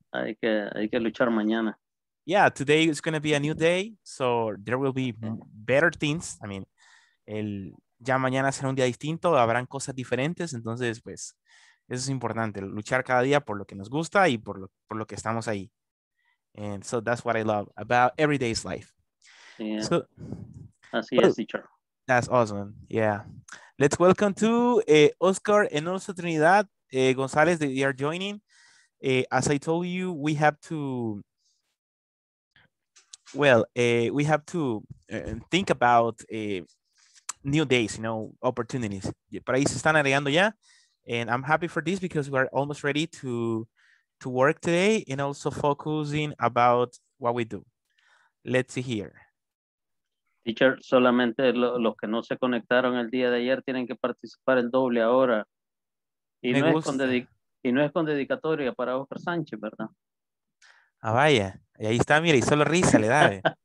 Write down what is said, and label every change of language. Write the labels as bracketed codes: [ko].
[es] Hay que luchar mañana. [en] Yeah, today is going to be a new day, so there will be better things. [es] I mean, ya mañana será un día distinto, habrán cosas diferentes, entonces, pues, eso es importante, luchar cada día por lo que nos gusta y por lo que estamos ahí. [en] And so that's what I love about everyday's life. Yeah. So, así well, es, teacher. That's awesome. Yeah. Let's welcome to Oscar and also Trinidad Gonzalez. They are joining. As I told you, we have to, think about new days, you know, opportunities. [es] Para ahí se están agregando ya. [en] And I'm happy for this because we're almost ready to work today and also focusing about what we do. Let's see here. [es] Teacher, solamente los que no se conectaron el día de ayer tienen que participar el doble ahora. Y, no es, y no es con dedicatoria para Oscar Sánchez, ¿verdad? Ah, vaya. Y ahí está, mire, y solo risa le da.